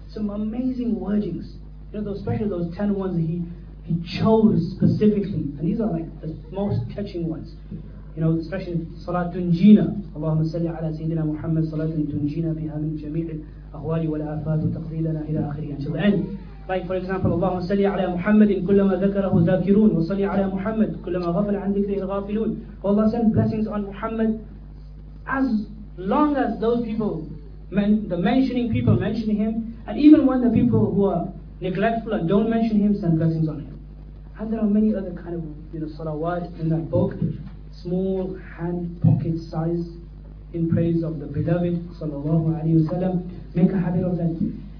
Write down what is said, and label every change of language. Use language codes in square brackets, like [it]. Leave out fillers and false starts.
[en] Some amazing wordings. You know, especially those 10 ones that he chose specifically. And these are like the most touching ones. You know, especially Salat Tunjina. [ar] Allahumma salli ala Sayyidina Muhammad Salat Tunjina biha min jami'il أهوالي والآفات وتقديلنا إلى آخره [en] until the end. Like for example, [ar] اللهم صل على محمد كلما ذكره ذاكرون وصل على محمد كلما غفل عن ذكره الغافلون. [en] Allah sent blessings on Muhammad as long as those people, the mentioning people mention him, and even when the people who are neglectful and don't mention him, send blessings on him. And there are many other kind of, you know, salawat in that book, small hand pocket size, in praise of the beloved sallallahu alayhi wa sallam. Make a habit of that.